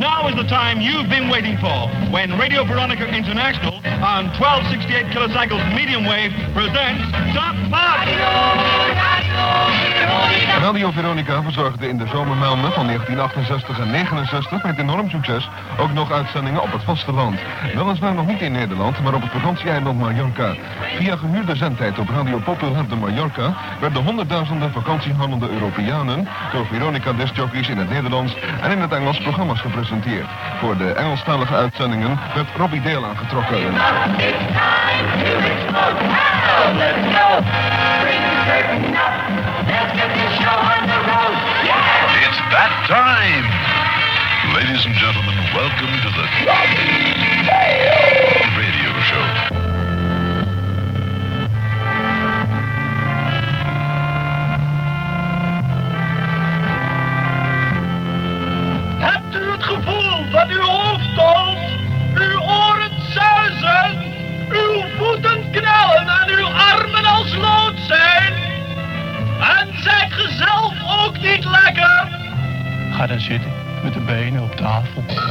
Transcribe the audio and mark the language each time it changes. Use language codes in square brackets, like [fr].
[en] Now is the time you've been waiting for when Radio Veronica International on 1268 kilocycles medium wave presents Top Pop. [nl] Radio Veronica verzorgde in de zomermaanden van 1968 en 69 met enorm succes ook nog uitzendingen op het vasteland. Weliswaar nog niet in Nederland, maar op het vakantieeiland Mallorca. Via gehuurde zendtijd op Radio Popular de Mallorca werden honderdduizenden vakantiehandelende Europeanen door Veronica discjockeys in het Nederlands en in het Engels programma's gepresenteerd. Voor de Engelstalige uitzendingen werd Robbie Dale aangetrokken. [en] It's that time! Ladies and gentlemen, welcome to the radio show. [nl] Hebt u het gevoel dat uw hoofd dolt, uw oren zuizen, uw voeten knellen en uw armen als lood zijn? En zijt ge zelf ook niet lekker? Ga dan zitten met de benen op tafel.